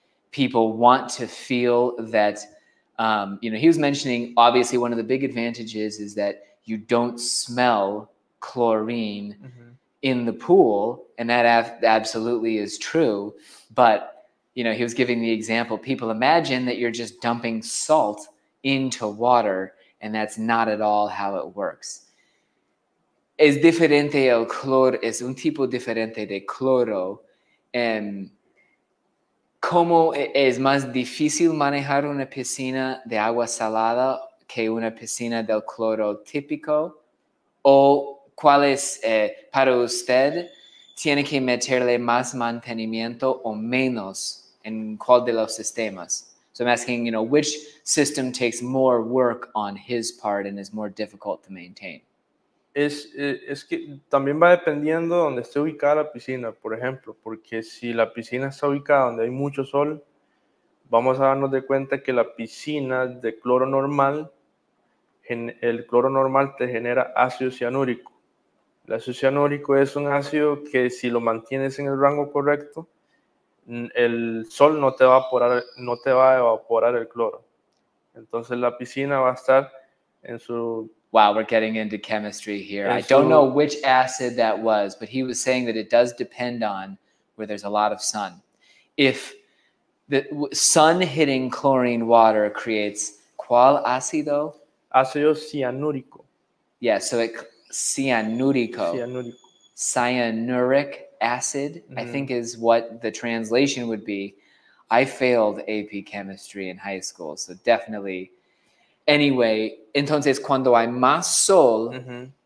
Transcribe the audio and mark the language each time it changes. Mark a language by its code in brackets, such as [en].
[en] People want to feel that, you know, he was mentioning, obviously, one of the big advantages is that you don't smell chlorine mm-hmm. in the pool, and that absolutely is true. But, you know, he was giving the example, people imagine that you're just dumping salt into water, and that's not at all how it works. [es] Es diferente el cloro, es un tipo diferente de cloro. ¿Cómo es más difícil manejar una piscina de agua salada que una piscina del cloro típico? ¿O cuál es, para usted, tiene que meterle más mantenimiento o menos en cuál de los sistemas? [en] So I'm asking, you know, which system takes more work on his part and is more difficult to maintain? [es] Es que también va dependiendo donde esté ubicada la piscina, por ejemplo, porque si la piscina está ubicada donde hay mucho sol, vamos a darnos de cuenta que la piscina de cloro normal, el cloro normal te genera ácido cianúrico. El ácido cianúrico es un ácido que si lo mantienes en el rango correcto, el sol no te va a evaporar el cloro. Entonces la piscina va a estar en su... [en] Wow, we're getting into chemistry here. I don't know which acid that was, but he was saying that it does depend on where there's a lot of sun. If the sun hitting chlorine water creates [es] ¿cuál ácido? Ácido cianúrico. [en] Yeah, so it cianúrico. [es] Cianúrico. [en] Cyanuric acid, mm-hmm. I think is what the translation would be. I failed AP chemistry in high school, so definitely... [es] Anyway, entonces cuando hay más sol, mm-hmm.